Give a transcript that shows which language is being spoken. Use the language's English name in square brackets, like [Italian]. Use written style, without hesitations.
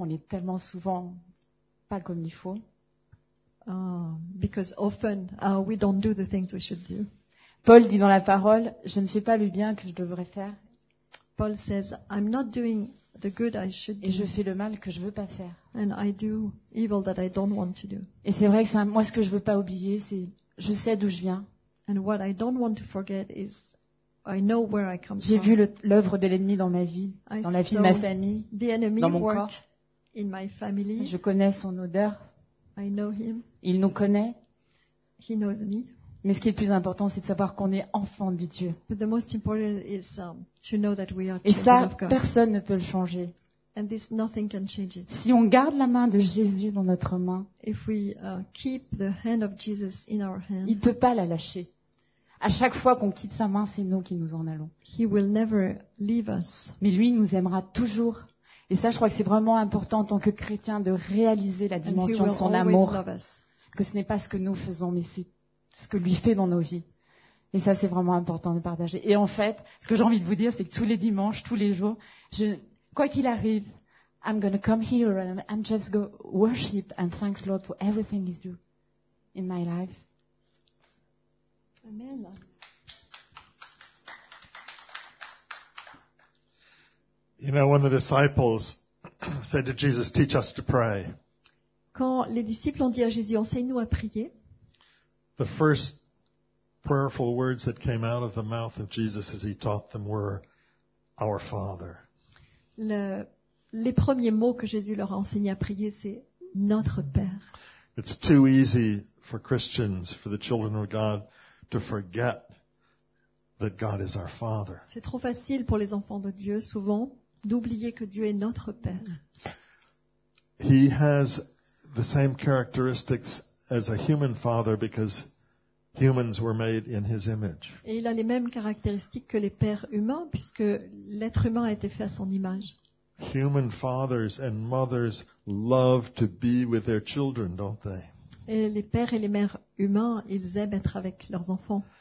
[French] On est tellement souvent pas comme il faut. [English] Because often we don't do the things we should do. [French] Paul dit dans la parole, je ne fais pas le bien que je devrais faire. [English] Paul says, I'm not doing the good I should do. [French] Et je fais le mal que je veux pas faire. [English] And I do evil that I don't want to do. [French] Et c'est vrai que moi ce que je veux pas oublier, c'est je sais d'où je viens. [English] And what I don't want to forget is I know where I come from. [French] J'ai vu l'œuvre de l'ennemi dans ma vie, dans la vie de ma famille, [English] the enemy [French] dans mon [English] work [French] corps. [English] In my family. [French] Je connais son odeur. [English] I know him. [French] Il nous connaît. [English] He knows me. [French] Mais ce qui est le plus important, c'est de savoir qu'on est enfant de Dieu. [English] But the most important is to know that we are. [French] Et ça, personne ne peut le changer. [English] And this, nothing can change it. [French] Si on garde la main de Jésus dans notre main, [English] if we keep the hand of Jesus in our hand, [French] il ne peut pas la lâcher. À chaque fois qu'on quitte sa main, c'est nous qui nous en allons. [English] He will never leave us. [French] Mais lui nous aimera toujours. Et ça, je crois que c'est vraiment important en tant que chrétien de réaliser la dimension de son amour. Que ce n'est pas ce que nous faisons, mais c'est ce que lui fait dans nos vies. Et ça, c'est vraiment important de partager. Et en fait, ce que j'ai envie de vous dire, c'est que tous les dimanches, tous les jours, quoi qu'il arrive, [English] I'm going to come here and I'm just going to worship and thanks Lord for everything he's doing in my life. Amen. You know, when the disciples said to Jesus, teach us to pray. [French] Quand les disciples ont dit à Jésus, enseigne-nous à prier. [English] The first prayerful words that came out of the mouth of Jesus as he taught them were, our Father. [French] Les premiers mots que Jésus leur a enseigné à prier, c'est notre Père. [English] It's too easy for Christians, for the children of God, to forget that God is our Father. [French] C'est trop facile pour les enfants de Dieu, souvent, d'oublier que Dieu est notre Père. [English] He has the same characteristics as a human father because humans were made in his image. [French] Et il a les mêmes caractéristiques que les pères humains puisque l'être humain a été fait à son image. [English] Human fathers and mothers love to be with their children, don't they? [French] Et les pères et les mères humains, ils aiment être avec leurs enfants.